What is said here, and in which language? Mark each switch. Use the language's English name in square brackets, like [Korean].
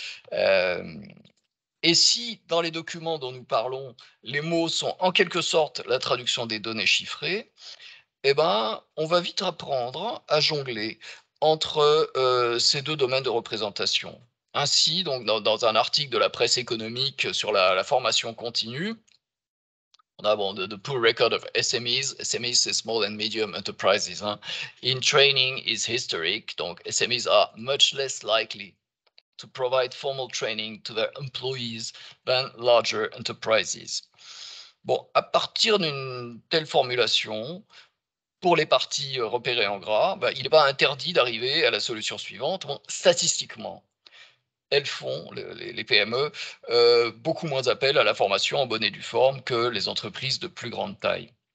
[French] Et si, dans les documents dont nous parlons, les mots sont en quelque sorte la traduction des données chiffrées, eh ben, on va vite apprendre à jongler entre ces deux domaines de représentation. Ainsi, donc, dans un article de la presse économique sur la formation continue, on a bon, [English] the poor record of SMEs. SMEs, c'est small and medium enterprises. Hein. In training is historic. Donc, SMEs are much less likely to provide formal training to their employees than larger enterprises. [French] Bon, à partir d'une telle formulation, pour les parties repérées en gras, ben, il n'est pas interdit d'arriver à la solution suivante. Bon, statistiquement, elles font, les PME, beaucoup moins appel à la formation en bonne et due forme que les entreprises de plus grande taille.